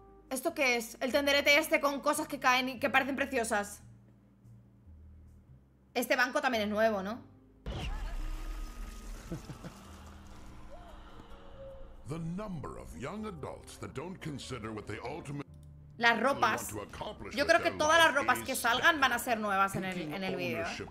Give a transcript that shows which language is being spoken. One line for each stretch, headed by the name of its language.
Spanish: ¿Esto qué es? El tenderete este con cosas que caen y que parecen preciosas. Este banco también es nuevo, ¿no?
English: The number of young adults that don't consider what they ultimately...
Spanish: Las ropas. Yo creo que todas las ropas que salgan van a ser nuevas en el video.